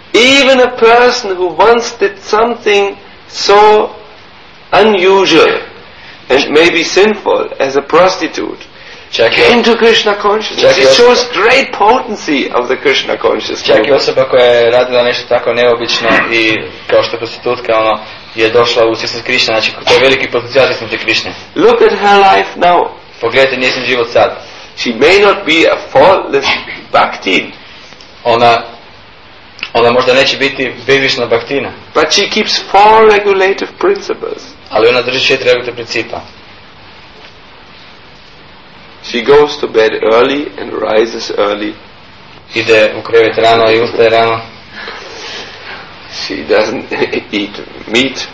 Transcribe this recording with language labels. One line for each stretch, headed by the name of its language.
English: Even a person who once did something so unusual and maybe sinful as a prostitute came to Krishna consciousness. It shows great potency of the Krishna consciousness.
Croatian: Čak i osoba koja je radila nešto tako neobično i kao što prostitutka, ono, je došla u svjesnost Krishna, znači to je veliki potencijal svjesnosti Krishna.
English: Look at her life now.
Croatian: Pogledajte njezin život sad.
English: She may not be a faultless bhaktin.
Croatian: Ona možda neće biti bezvišna baktina.
English: But she keeps four regulative principles.
Croatian: Ali ona drži četiri regulativne principa.
English: She goes to bed early and rises early.
Croatian: Ide u krevet rano i ustaje rano.
English: She doesn't eat meat.